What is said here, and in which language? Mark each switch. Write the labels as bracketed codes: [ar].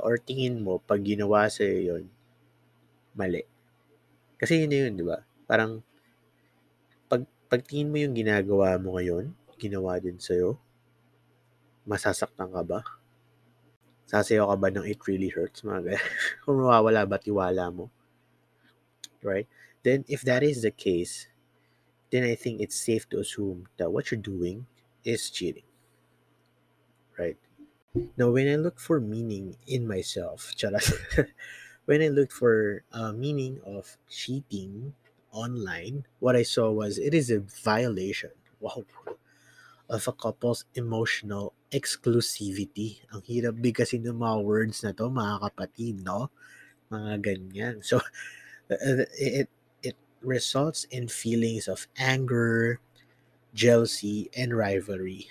[tl] Or tingin mo, pag ginawa sa'yo yun, mali. Kasi yun na yun, di ba? Parang, pag tingin mo yung ginagawa mo ngayon, ginawa din sa'yo, masasaktan ka ba? Sasayaw ka ba ng [en] it really hurts? [tl] Mga kung mawawala ba, tiwala mo? [en] Right? Then, if that is the case, then I think it's safe to assume that what you're doing is cheating. Right? Now, when I look for meaning in myself, charas, when I looked for a meaning of cheating online, what I saw was it is a violation, wow, of a couple's emotional exclusivity. [tl] Ang hirap big kasi ng mga words na to, mga kapatid, no? Mga ganyan. [en] So it results in feelings of anger, jealousy, and rivalry.